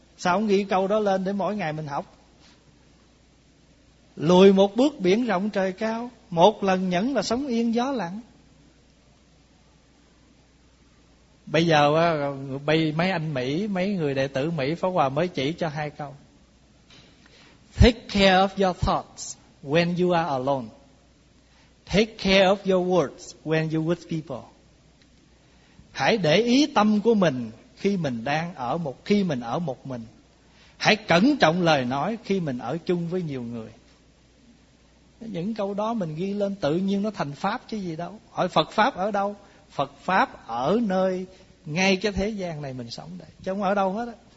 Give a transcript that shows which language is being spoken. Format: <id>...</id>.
<vi>Sao không ghi câu đó lên để mỗi ngày mình học? Lùi một bước biển rộng trời cao, một lần nhẫn là sóng yên gió lặng. Bây giờ mấy anh Mỹ, mấy người đệ tử Mỹ Pháp Hòa mới chỉ cho 2 câu.</vi> <en>Take care of your thoughts when you are alone. Take care of your words when you're with people.</en> <vi>Hãy để ý tâm của mình khi mình ở một mình. Hãy cẩn trọng lời nói khi mình ở chung với nhiều người. Những câu đó mình ghi lên tự nhiên nó thành pháp chứ gì đâu. Hỏi Phật pháp ở đâu? Phật pháp ở nơi ngay cái thế gian này mình sống đây, chứ không ở đâu hết á.</vi>